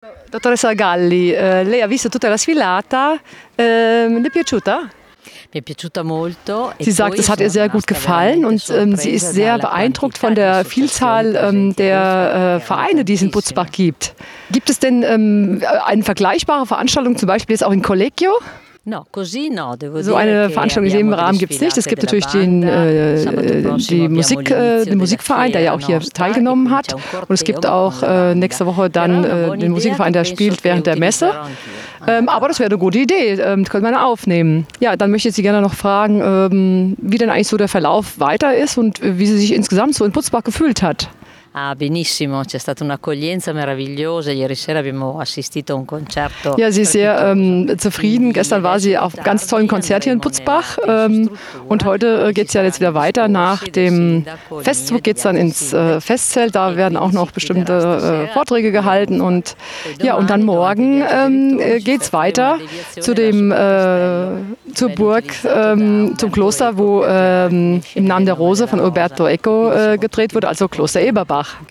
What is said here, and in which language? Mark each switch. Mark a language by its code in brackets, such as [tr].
[it] Dottoressa Galli, lei ha visto tutta la sfilata, le è piaciuta? Mi è piaciuta molto. [de] Sie sagt, es hat ihr sehr gut gefallen und sie ist sehr beeindruckt von der Vielzahl der Vereine, die es in Butzbach gibt. Gibt es denn eine vergleichbare Veranstaltung, zum Beispiel jetzt auch in Collegio? [it] No, così no, devo [de] so eine [it] dire [de] Veranstaltung in dem Rahmen gibt es nicht. Es gibt natürlich den Musikverein, der ja auch hier teilgenommen hat. Und es gibt auch nächste Woche dann den Musikverein, der spielt während der Messe. Aber das wäre eine gute Idee, das könnte man aufnehmen. Ja, dann möchte ich Sie gerne noch fragen, wie denn eigentlich so der Verlauf weiter ist und wie sie sich insgesamt so in Butzbach gefühlt hat. [it] Ah, benissimo, c'è stata un'accoglienza meravigliosa. Ieri sera abbiamo assistito a un concerto. [de] Ja, sie ist sehr zufrieden. Gestern war sie auf ganz tollen Konzert hier in Butzbach. Und heute geht es ja jetzt wieder weiter. Nach dem Festzug geht es dann ins Festzelt. Da werden auch noch bestimmte Vorträge gehalten. Und ja, und dann morgen geht es weiter zu dem, zur Burg, zum Kloster, wo im Namen der Rose von Umberto Eco gedreht wurde, also Kloster Eberbach.